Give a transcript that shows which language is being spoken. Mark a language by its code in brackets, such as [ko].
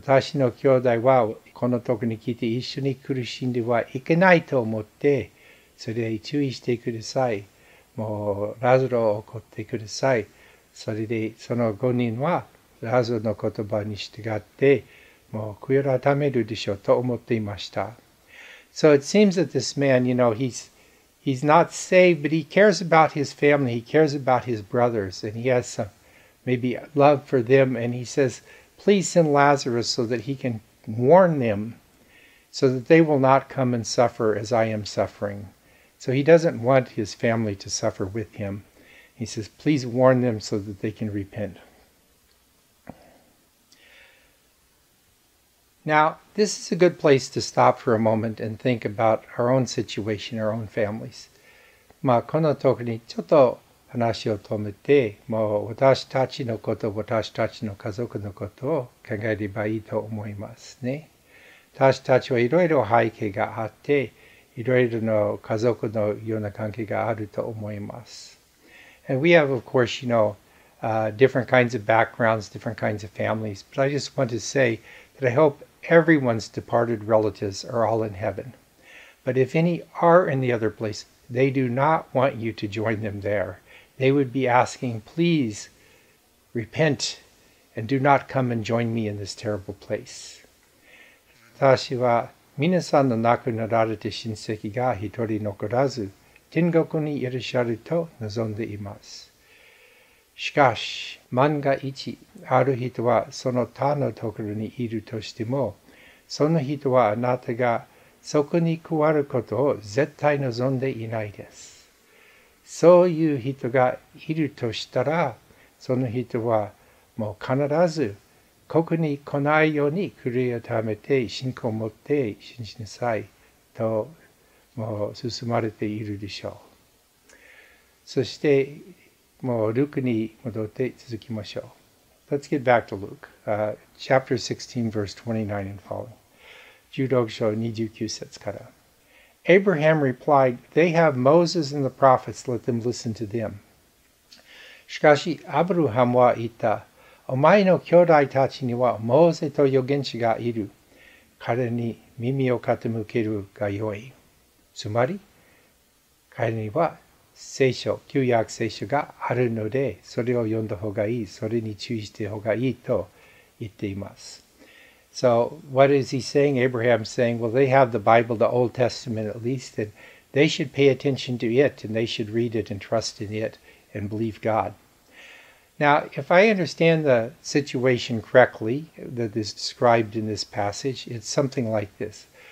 [ja] 私の兄弟はこの時に来て一緒に苦しんではいけないと思って、それで注意してください。もうラザロを怒ってください。それでその5人はラザロの言葉に従ってもう悔い改めるでしょうと思っていました。 [en] So it seems that this man, you know, he He's not saved, but he cares about his family. He cares about his brothers, and he has some maybe love for them. And he says, please send Lazarus so that he can warn them, so that they will not come and suffer as I am suffering. So he doesn't want his family to suffer with him. He says, please warn them so that they can repent. Now, this is a good place to stop for a moment and think about our own situation, our own families. [ja] まあ、この時にちょっと話を止めて、もう私たちのこと、私たちの家族のことを考えればいいと思いますね。私たちはいろいろ背景があって、いろいろの家族のような関係があると思います。 [en] And we have, of course, you know, different kinds of backgrounds, different kinds of families. But I just want to say that I hope everyone's departed relatives are all in heaven. But if any are in the other place, they do not want you to join them there. They would be asking, please repent and do not come and join me in this terrible place. [ja] 私は皆さんの亡くなられた親戚が一人残らず、天国にいらっしゃると望んでいます。しかし、万が一、ある人はその他のところにいるとしても、その人はあなたがそこに加わることを絶対望んでいないです。そういう人がいるとしたら、その人はもう必ずここに来ないように悔い改めて信仰を持って信じなさいと、もう進まれているでしょう。そして、もうルクに戻って続きましょう。 [en] Let's get back to Luke, chapter 16, verse 29 and following. [ja] 16章29節から。 [en] Abraham replied, They have Moses and the prophets, let them listen to them. [ja] しかし、アブラハムは言った、お前の兄弟たちにはモーゼと預言者がいる。彼に耳を傾けるがよい。つまり、彼には聖書、旧約聖書があるので、それを読んだ方がいい、それに注意した方がいいと言っています。 [en] So, what is he saying? Abraham's saying, well, they have the Bible, the Old Testament at least, and they should pay attention to it, and they should read it and trust in it and believe God. Now, if I understand the situation correctly that is described in this passage, it's something like this.